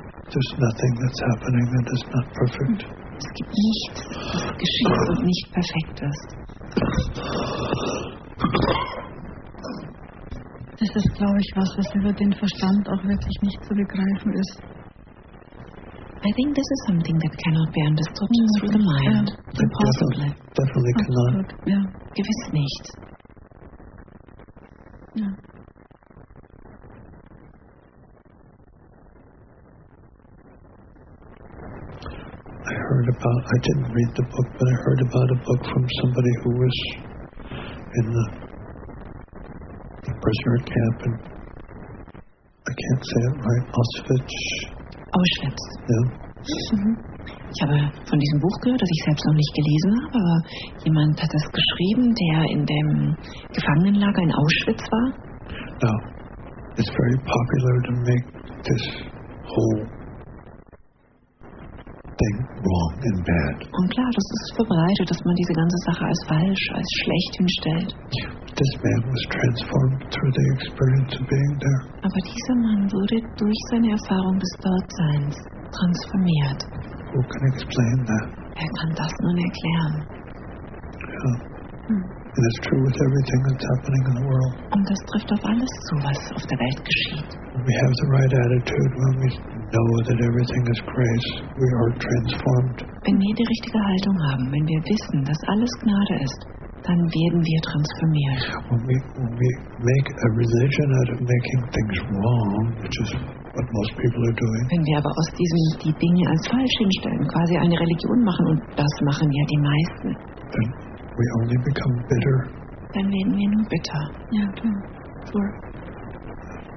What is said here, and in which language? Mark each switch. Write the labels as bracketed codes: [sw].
[en] There's nothing that's happening that is not perfect. [de] Es gibt nichts, was geschieht und nicht perfekt ist. Das ist, glaube ich, was über den Verstand auch wirklich nicht zu begreifen ist. [en] I think this is something that cannot be understood through the mind. Yeah. Impossible. Definitely cannot. [de] Absolut. [en] Yeah. [de] Gewiss nicht. [en] Yeah. I didn't read the book, but I heard about a book from somebody who was in the prisoner camp, and I can't say it right, Auschwitz. Auschwitz. [de] Ja. Ich habe von diesem Buch gehört, das ich selbst noch nicht gelesen habe, aber jemand hat es geschrieben, der in dem Gefangenenlager in Auschwitz war. [en] Now, it's very popular to make this whole thing wrong and bad. [de] Und klar, das ist verbreitet, dass man diese ganze Sache als falsch, als schlecht hinstellt. [en] This man was transformed through the experience of being there. [de] Aber dieser Mann wurde durch seine Erfahrung des Dortseins transformiert. [en] Who can explain that? [de] Wer kann das nun erklären? [en] And it's true with everything that's happening in the world. [de] Und das trifft auf alles zu, was auf der Welt geschieht. [en] We have the right attitude when we know that everything is grace. We are transformed. [de] Wenn wir die richtige Haltung haben, wenn wir wissen, dass alles Gnade ist, dann werden wir transformiert. [en] When we make a religion out of making things wrong, which is what most people are doing. [de] Wenn wir aber aus diesem die Dinge als falsch hinstellen, quasi eine Religion machen, und das machen ja die meisten. [en] Then we only become bitter. [de] Dann werden wir nur bitter. Ja, klar. [en] Sure.